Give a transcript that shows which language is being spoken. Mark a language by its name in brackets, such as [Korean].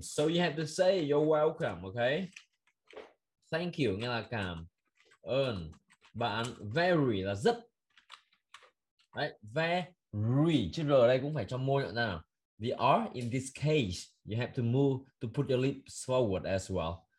[English] So you have to say you're welcome, ok. Thank you [Vietnamese] nghĩa là cảm ơn. Bạn very là rất. Đấy, very. Chữ R ở đây cũng phải cho môi nhận ra nào. [English] The R in this case, you have to move to put your lips forward as well.